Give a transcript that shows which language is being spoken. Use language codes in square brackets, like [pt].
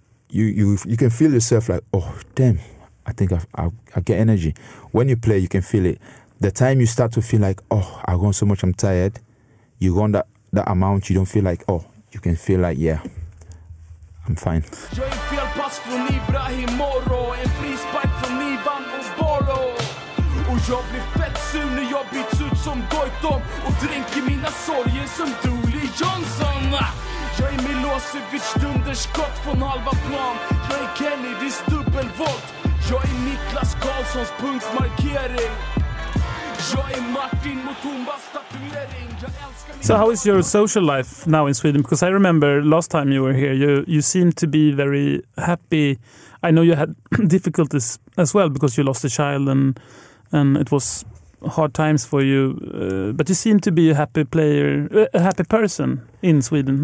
[en] You can feel yourself like, oh damn, I think I get energy. When you play, you can feel it. The time you start to feel like, oh, I run so much, I'm tired, you run that amount, you don't feel like, oh, you can feel like, yeah, I'm fine. [sv] Jag är fel pass från Ibrahim Moro, en frispark från Ivan Oboro. Och jag blir fett sur när jag byts ut som Goitom och dränker mina sorger som Dooley Johnson. Jag är Milosevic, dunderskott från halva plan. Jag är Kennedys dubbelvolt. Jag är Niklas Karlssons punktmarkering. Jag är Martin Mutumbas tatuering. Jag älskar. [en] So how is your social life now in Sweden? Because I remember last time you were here, you seemed to be very happy. I know you had difficulties as well because you lost a child and it was hard times for you. But you seem to be a happy player, a happy person in Sweden.